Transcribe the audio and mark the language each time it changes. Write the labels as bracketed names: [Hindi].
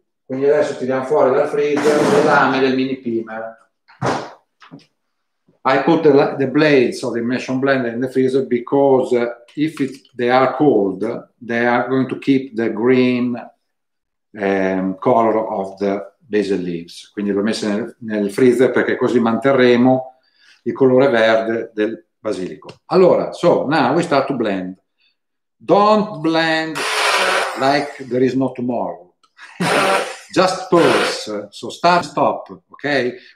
[Italian] Quindi adesso tiriamo fuori dal freezer le lame del mini pimer. [English] I put the blades of the immersion blender in the freezer because if they are cold, they are going to keep the green color of the basil leaves. [Italian] Quindi l'ho messo nel freezer perché così manterremo il colore verde del basilico. [English] Allora, so now we start to blend. Don't blend like there is no tomorrow. Just pause. So start, stop, ok?